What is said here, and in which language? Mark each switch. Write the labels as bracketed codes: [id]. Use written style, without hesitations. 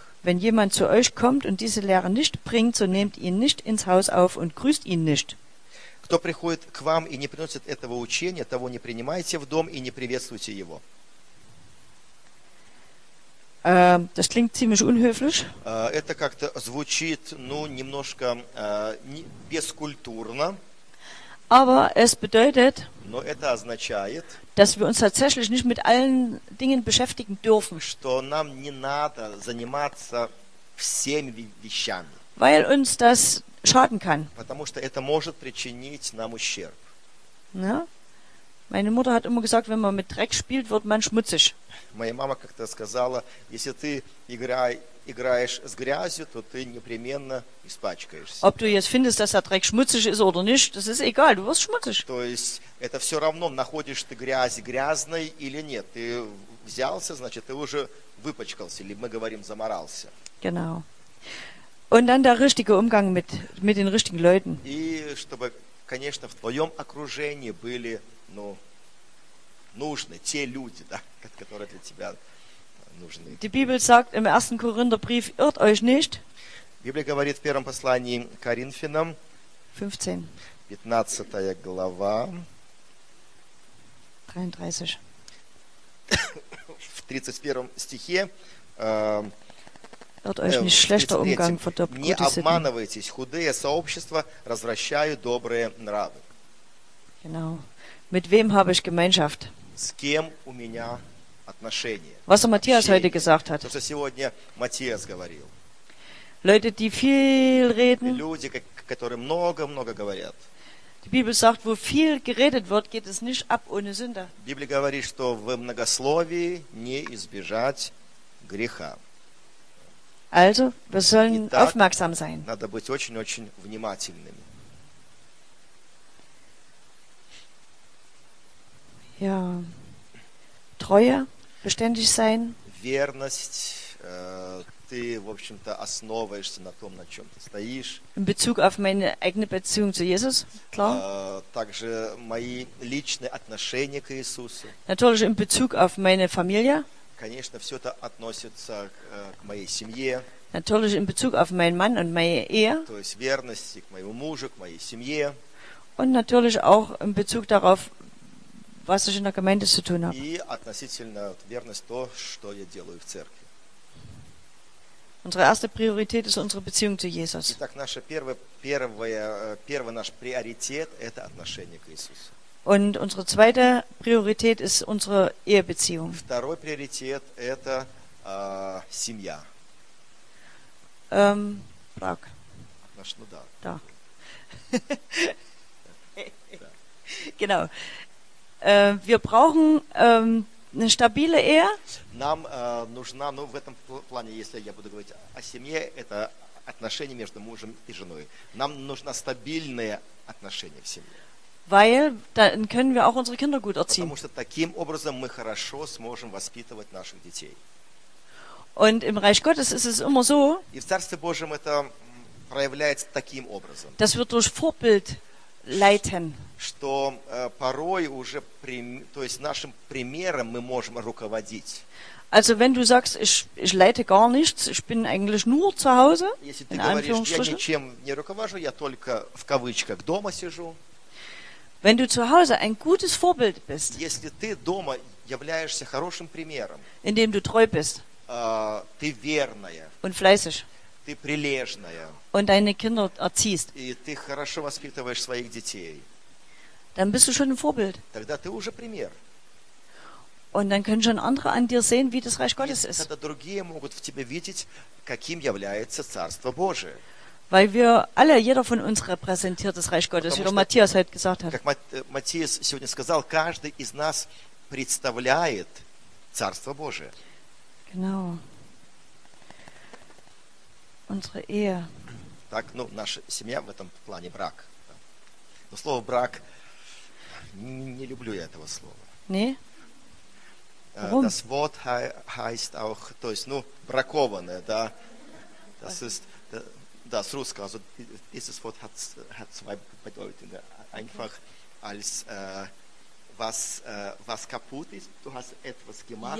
[de] Wenn jemand zu euch kommt und diese Lehre nicht bringt, so nehmt ihn nicht ins Haus auf und grüßt ihn nicht. [ru] Кто приходит к вам и не приносит этого учения, того не принимайте в дом и не приветствуйте его. [de] Das klingt ziemlich unhöflich. [ru] Это как-то звучит, ну, немножко бескультурно. [de] Aber es bedeutet, [ru] но это означает, [de] dass wir uns tatsächlich nicht mit allen Dingen beschäftigen dürfen. [ru] Что нам не надо заниматься всеми вещами. [de] Weil uns das schaden kann. [ru] Потому что это может причинить нам ущерб. [de] Ja? Meine Mutter hat immer gesagt, wenn man mit Dreck spielt, wird man schmutzig. [ru] Моя мама как-то сказала, если ты играешь с грязью, то ты непременно испачкаешься. [de] Ob du jetzt findest, dass der Dreck schmutzig ist oder nicht, das ist egal, du wirst schmutzig. [ru] То есть это все равно, находишь ты грязь грязной или нет. Ты взялся, значит, ты уже выпачкался, или мы говорим, заморался. [de] Genau. Und dann der richtige Umgang mit den richtigen Leuten. [ru] И чтобы, конечно, в твоем окружении были, ну, нужны те люди, да, которые для тебя нужны. [de] Die Bibel sagt im 1. Korintherbrief, irrt euch nicht. [ru] Библия говорит в первом послании Коринфянам, 15 глава, 33. В 31 стихе, не обманывайтесь, худые сообщества развращают добрые нравы. [de] Genau. Mit wem habe ich Gemeinschaft? [ru] С кем у меня отношения? [de] Was Matthias heute gesagt hat. [ru] То, что сегодня Матиас говорил. [de] Leute, die viel reden. [ru] Люди, которые много-много говорят. [de] Die Bibel sagt, wo viel geredet wird, geht es nicht ab ohne Sünde. [ru] Библия говорит, что в многословии не избежать греха. [de] Also, wir sollen [ru] итак, [de] aufmerksam sein. [ru] Надо быть очень-очень внимательными. [de] Ja. Treue, beständig sein. [ru] Верность, ты, в общем-то, основываешься на том, на чем ты стоишь. [de] In Bezug auf meine eigene Beziehung zu Jesus, klar. [ru] Также мои личные отношения к Иисусу. [de] Natürlich in Bezug auf meine Familie. [ru] Конечно, все это относится к моей семье. [de] Natürlich in Bezug auf meinen Mann und meine Ehe. [ru] То есть верности к моему мужу, к моей семье. [de] Und natürlich auch in Bezug darauf, was ich in der Gemeinde zu tun habe. [ru] И относительно верность то, что я делаю в церкви. [de] Unsere erste Priorität ist unsere Beziehung zu Jesus. [ru] Итак, наша первый наш приоритет – это отношение к Иисусу. [de] Und unsere zweite Priorität ist unsere Ehebeziehung. [ru] Второй приоритет – это семья. Брак. Наш, ну да. Да. [de] Genau. Wir brauchen eine stabile Ehe. [ru] Нам нужна, ну в этом плане, если я буду говорить о семье, это отношения между мужем и женой. Нам нужно стабильное отношение в семье. [de] Weil dann können wir auch unsere Kinder gut erziehen. [ru] Потому что таким образом мы хорошо сможем воспитывать наших детей. [de] Und im Reich Gottes ist es immer so. [ru] И в Царстве Божьем это проявляется таким образом. [de] Dass wir durch Vorbild leiten. [ru] Что порой уже, то есть нашим примером мы можем руководить. [de] Also wenn du sagst, ich leite gar nichts, ich bin eigentlich nur zu Hause, [ru] если ты говоришь, я ничем не руковожу, я только в кавычках дома сижу. [de] Wenn du zu Hause ein gutes Vorbild bist. [ru] Если ты дома являешься хорошим примером. [de] Indem du treu bist. [ru] Ты верная. [de] Und fleißig. [ru] Ты прилежная. [de] Und deine Kinder erziehst. [ru] И ты хорошо воспитываешь своих детей. [de] Dann bist du schon ein Vorbild. [ru] Тогда ты уже пример. [de] Und dann können schon andere an dir sehen, wie das Reich Gottes ist. [ru] Тогда другие могут в тебе видеть, каким является Царство Божие. [de] Weil wir alle, jeder von uns repräsentiert das Reich Gottes, wie Matthias heute gesagt hat. [ru] Как Матиас сегодня сказал, каждый из нас представляет Царство Божие. [de] Genau. Unsere Ehe. [ru] Так, ну, наша семья в этом плане брак. Но слово брак, не люблю я этого слова. Не? [de] Das Wort heißt auch, [ru] то есть, ну, бракованное, да? [de] Das ist, das Russische, also dieses Wort hat zwei Bedeutungen. Einfach als was kaputt ist, du hast etwas gemacht